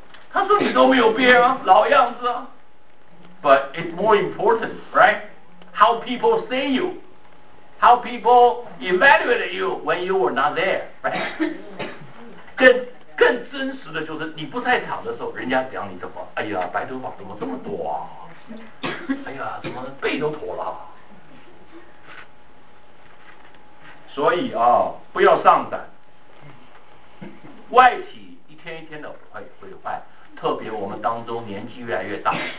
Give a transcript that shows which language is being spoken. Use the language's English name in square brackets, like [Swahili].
[Chinese] 他说你都没有变啊，老样子啊。 [English] But it's more important, right? How people say you, how people evaluate you when you were not there, right? [Chinese] 更真实的就是你不在场的时候，人家讲你怎么，哎呀，白头发怎么这么多啊？哎呀，怎么背都驼了？所以啊，不要上胆。外体一天一天的毁坏，特别我们当中年纪越来越大。